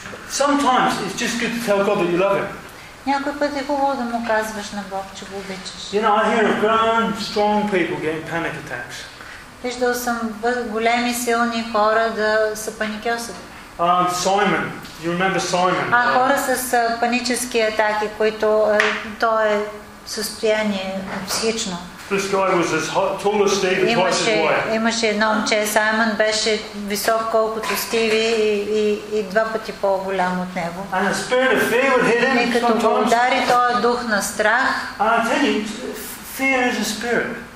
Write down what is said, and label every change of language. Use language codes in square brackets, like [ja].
[en] Sometimes it's just good to tell God that you love him. [bg] Някой път е хубаво да му казваш на Бог, че го обичаш. [en] You know, I hear of grown, strong people getting panic attacks. [bg] Виждал съм големи, силни хора да са паникьосат. [en] Simon, you remember Simon? [bg] А хора с панически атаки, които той е състояние психично. [en] This guy was as tall as Steve, twice as wide. [bg] Имаше едно момче, Саймон беше висок колкото Стиви и два пъти по-голям от него. [en] And the spirit of fear would hit him. [bg] И като го удари този дух на страх. [en] And I tell you, fear is a spirit.